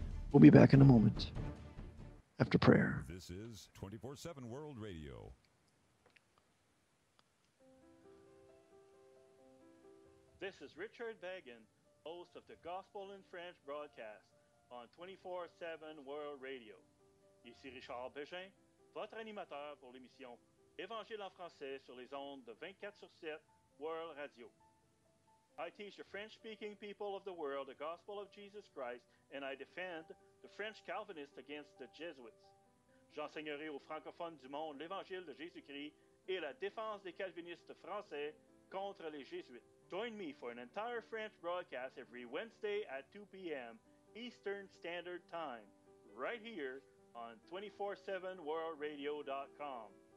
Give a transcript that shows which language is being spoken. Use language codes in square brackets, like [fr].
[en] We'll be back in a moment after prayer. This is 24/7 World Radio. This is Richard Vagan, host of the Gospel in French broadcast on 24/7 World Radio. [fr] Ici Richard Bégin, votre animateur pour l'émission Évangile en français sur les ondes de 24/7 World Radio. [en] I teach the French-speaking people of the world the gospel of Jesus Christ, and I defend the French Calvinists against the Jesuits. [fr] J'enseignerai aux francophones du monde l'Évangile de Jésus-Christ et la défense des Calvinistes français contre les Jésuites. [en] Join me for an entire French broadcast every Wednesday at 2 p.m. Eastern Standard Time, right here on 247worldradio.com.